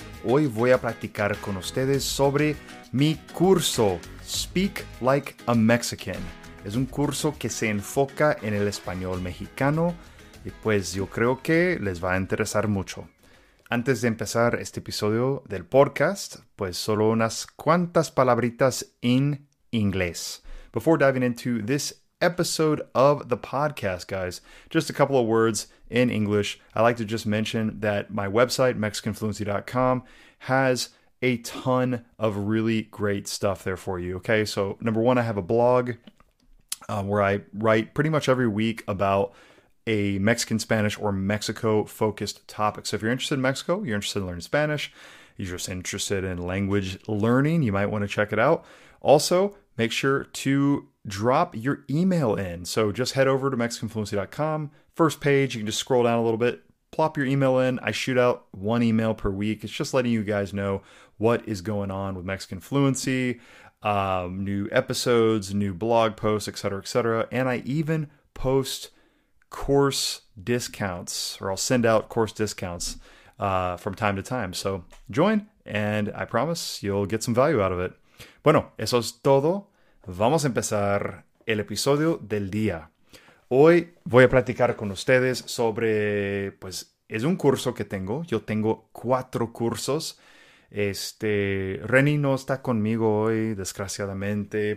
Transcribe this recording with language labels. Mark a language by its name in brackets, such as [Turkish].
[Spanish] Hoy voy a platicar con ustedes sobre mi curso Speak Like a Mexican. Es un curso que se enfoca en el español mexicano y pues yo creo que les va a interesar mucho. Antes de empezar este episodio del podcast, pues solo unas cuantas palabritas en inglés. [English] Before diving into this episode of the podcast, guys, just a couple of words in English. I like to just mention that my website, mexicanfluency.com, has a ton of really great stuff there for you. Okay, so number one, I have a blog where I write pretty much every week about a Mexican, Spanish, or Mexico focused topic. So if you're interested in Mexico, you're interested in learning Spanish, you're just interested in language learning, you might want to check it out. Also, make sure to drop your email in. So just head over to mexicanfluency.com. First page, you can just scroll down a little bit, plop your email in. I shoot out one email per week. It's just letting you guys know what is going on with Mexican Fluency, new episodes, new blog posts, etc., etc. And I even post course discounts, or I'll send out course discounts from time to time. So join, and I promise you'll get some value out of it. [Spanish] Bueno, eso es todo. Vamos a empezar el episodio del día. Hoy voy a platicar con ustedes sobre, pues, es un curso que tengo. Yo tengo 4 cursos. Reni no está conmigo hoy, desgraciadamente.